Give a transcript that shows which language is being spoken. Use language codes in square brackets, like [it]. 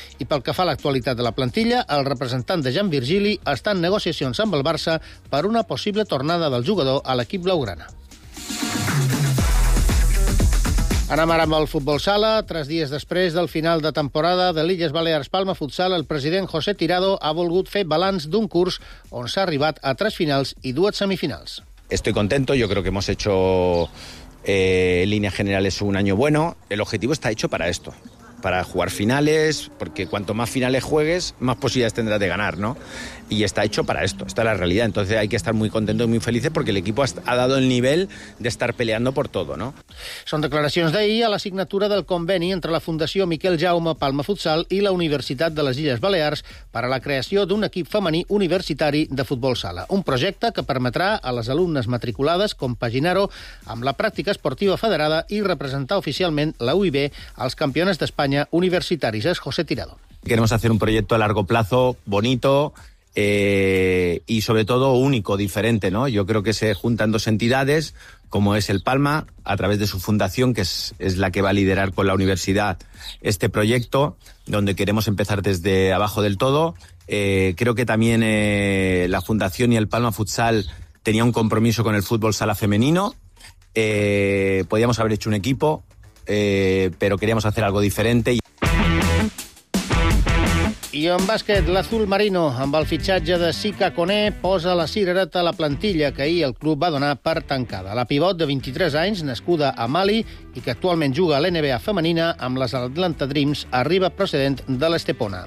[ca] I pel que fa a l'actualitat de la plantilla, el representant de Jan Virgili està en negociacions amb el Barça per una possible tornada del jugador a l'equip blaugrana. Anem ara amb el futbol sala. Tres dies després del final de temporada de l'Illes Balears Palma Futsal, el president José Tirado ha volgut fer balanç d'un curs on s'ha arribat a tres finals i dues semifinals. [es] Estoy contento, yo creo que hemos hecho en líneas generales un año bueno. El objetivo está hecho para esto, para jugar finales, porque cuanto más finales juegues, más posibilidades tendrás de ganar, ¿no? Y está hecho para esto, esta es la realidad. Entonces hay que estar muy contentos y muy felices porque el equipo ha dado el nivel de estar peleando por todo, ¿no? [ca] Son declaracions d'ahir a la signatura del conveni entre la Fundació Miquel Jaume Palma Futsal i la Universitat de les Illes Balears per a la creació d'un equip femení universitari de futbol sala. Un projecte que permetrà a les alumnes matriculades compaginar-ho amb la pràctica esportiva federada i representar oficialment la UIB als campiones d'Espanya universitaris. És José Tirado. [es] Queremos hacer un proyecto a largo plazo, bonito, y sobre todo único, diferente, ¿no? Yo creo que se juntan dos entidades, como es el Palma, a través de su fundación, que es la que va a liderar con la universidad este proyecto, donde queremos empezar desde abajo del todo. Creo que también la fundación y el Palma Futsal tenía un compromiso con el fútbol sala femenino. Podíamos haber hecho un equipo, pero queríamos hacer algo diferente. [ca] I en bàsquet, l'Azul Marino, amb el fitxatge de Sika Koné, posa la cirereta a la plantilla que ahir el club va donar per tancada. La pivot de 23 anys, nascuda a Mali i que actualment juga a l'NBA femenina amb les Atlanta Dreams, arriba procedent de l'Estepona.